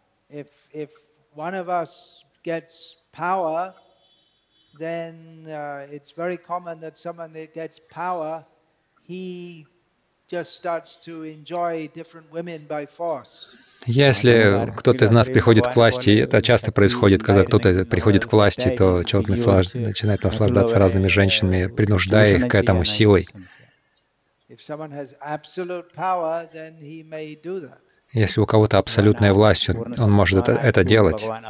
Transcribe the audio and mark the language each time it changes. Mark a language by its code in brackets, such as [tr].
[en] If one of us gets power, then it's very common that someone that gets power, he just starts to enjoy different women by force. [ru] Если кто-то из нас приходит к власти, это часто происходит, когда кто-то приходит к власти, то человек начинает наслаждаться разными женщинами, принуждая их к этому силой. [en] If someone has absolute power, then he may do that. [ru] Если у кого-то абсолютная власть, он может это делать.